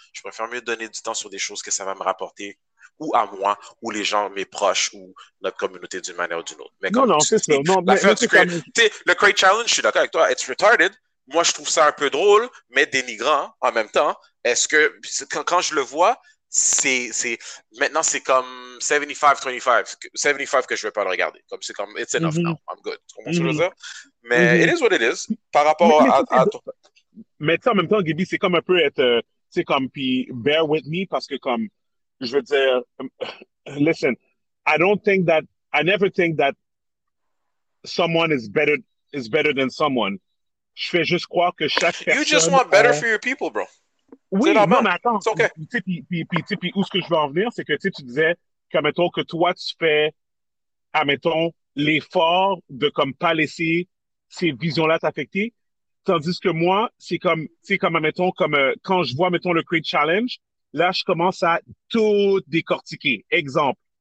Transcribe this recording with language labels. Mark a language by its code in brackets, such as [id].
[fr] Je préfère mieux donner du temps sur des choses que ça va me rapporter. Ou à moi, ou les gens, mes proches, ou notre communauté d'une manière ou d'une autre. Mais comme non, c'est ça. Non, mais c'est comme... Le Great Challenge, je suis d'accord avec toi, [en] it's retarded. [fr] Moi, je trouve ça un peu drôle, mais dénigrant en même temps. Est-ce que, quand je le vois, c'est maintenant, c'est comme 75-25 que je ne vais pas le regarder. Comme c'est comme, [en] it's enough now, I'm good. [fr] Comment tu veux dire? Mais [en] it is what it is, [fr] par rapport à toi. Mais tu sais, en même temps, Gaby, c'est comme un peu être, tu sais, comme, puis [en] bear with me, [fr] parce que comme, je veux dire, [en] listen, I never think that someone is better than someone. [fr] Je fais juste croire que chaque personne... [en] You just want better for your people, bro. [fr] Oui, non, mais attends. [en] It's okay. [fr] Puis, où est-ce que je veux en venir, c'est que tu disais qu'admettons que toi, tu fais, admettons, l'effort de comme pas laisser ces visions-là t'affecter. Tandis que moi, c'est comme admettons, quand je vois, admettons, le Create Challenge, là, je commence à tout décortiquer. Exemple.